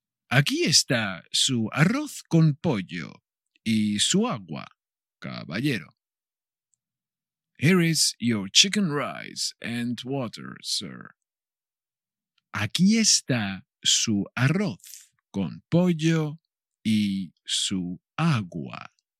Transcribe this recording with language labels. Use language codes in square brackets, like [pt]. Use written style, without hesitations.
[es] Aquí está su arroz con pollo y su agua, caballero. [en] Here is your chicken rice and water, sir. [es] Aquí está su arroz con pollo y su agua.